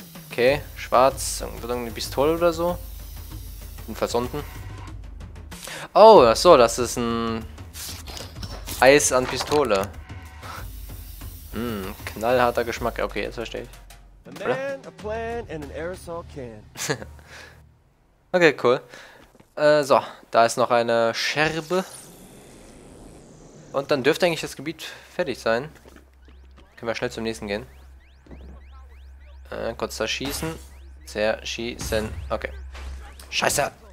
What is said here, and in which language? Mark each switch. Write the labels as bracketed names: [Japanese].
[German] Okay, schwarz, irgendeine Pistole oder so. Bin versunken. Oh, achso, das ist ein Eis an Pistole. Knallharter Geschmack, okay, jetzt verstehe ich. Oder? [English] A plan and an aerosol can. [German] Okay, cool. So, da ist noch eine Scherbe. Und dann dürfte eigentlich das Gebiet fertig sein. Können wir schnell zum nächsten gehen. Kurz da schießen. Zerschießen. Okay. Scheiße!